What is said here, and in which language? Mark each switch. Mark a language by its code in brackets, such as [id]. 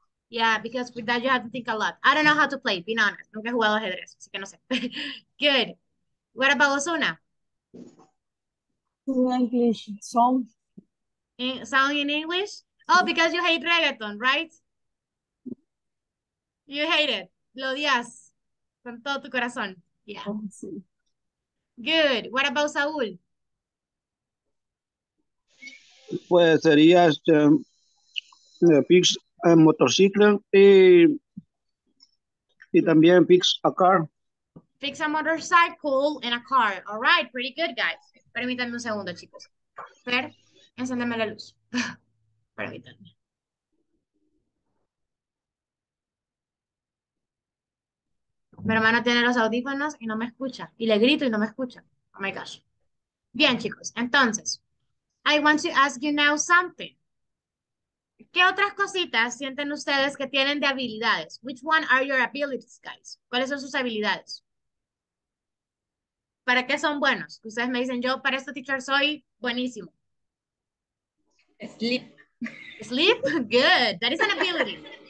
[en] Yeah, because with that you have to think a lot. I don't know how to play, being honest. [es] Nunca he jugado ajedrez, así que no sé. [en] Good. What about Osuna? English song. Song in English? Oh, because you hate reggaeton, right? You hate it. [es] Lo odias. Con todo tu corazón. Yeah. Oh, sí. [en] Good. What about Saúl? [es] Pues sería [en] fix a motorcycle [es] y también [en] fix a car. Fix a motorcycle and a car. All right. Pretty good, guys. [es] Permítanme un segundo, chicos. Fer, encéndeme la luz. Permítanme. Mi hermano tiene los audífonos y no me escucha. Y le grito y no me escucha. [en] Oh, my gosh. [es] Bien, chicos. Entonces, [en] I want to ask you now something. [es] ¿Qué otras cositas sienten ustedes que tienen de habilidades? [en] Which one are your abilities, guys? [es] ¿Cuáles son sus habilidades? ¿Para qué son buenos? Ustedes me dicen, yo para esto, teacher, soy buenísimo. [en] Sleep. Sleep? Good. That is an ability.